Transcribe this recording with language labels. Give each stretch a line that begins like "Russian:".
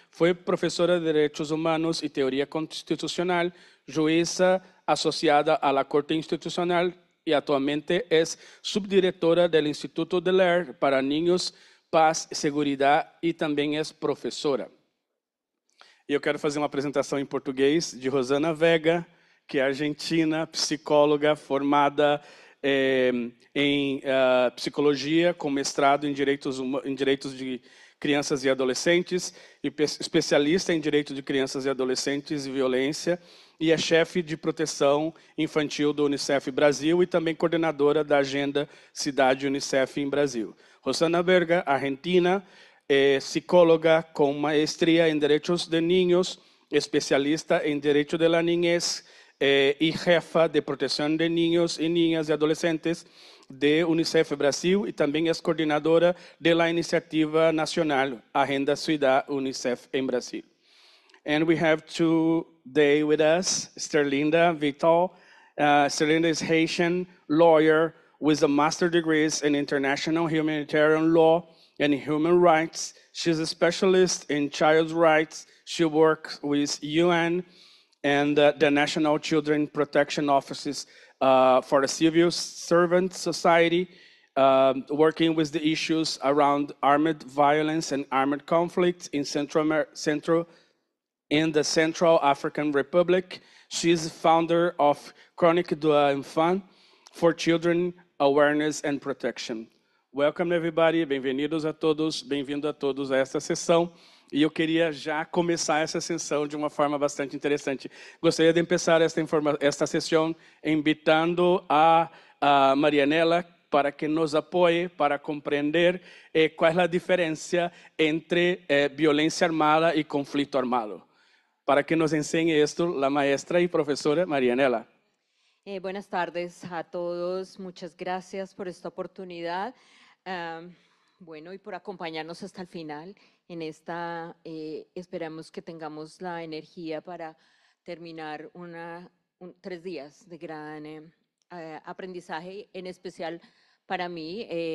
Spanish: Fue profesora de Derechos Humanos y Teoría Constitucional, jueza asociada a la Corte Institucional y actualmente es subdirectora del Instituto de LAR para Niños, Paz y Seguridad, y también es profesora.
Portuguese: Eu quero fazer uma apresentação em português de Rosana Vega, que é argentina, psicóloga formada em psicologia, com mestrado em direitos de crianças e adolescentes, e especialista em direitos de crianças e adolescentes e violência, e é chefe de proteção infantil do Unicef Brasil e também coordenadora da Agenda Cidade Unicef em Brasil.
Spanish: Rosana Vega, argentina. Psicóloga con maestría en derechos de niños, especialista en derecho de la niñez, y jefa de protección de niños y niñas y adolescentes de UNICEF Brasil, y también es coordinadora de la iniciativa nacional Agenda Ciudad UNICEF en Brasil.
English: And we have today with us Sterlinda Vital. Sterlinda is Haitian lawyer with a master's degree in international humanitarian law and human rights. She's a specialist in child rights. She works with UN and the National Children Protection Offices for the Civil Servant Society, working with the issues around armed violence and armed conflict in the Central African Republic. She's the founder of Chronique de l'Enfant for Children Awareness and Protection. Welcome, everybody.
Portuguese: Bem-vindos a todos. Bem-vindo a todos a esta sessão. E eu queria já começar essa sessão de uma forma bastante interessante. Gostaria de começar esta sessão invitando a Marianela para que nos apoie para compreender qual é a diferença entre violência armada e conflito armado.
Spanish: Para que nos enseñe esto la maestra y profesora Marianela. Buenas tardes a todos. Muchas gracias por esta oportunidad. Bueno, y por acompañarnos hasta el final. En esta esperamos que tengamos la energía para terminar 3 días de gran aprendizaje, en especial para mí.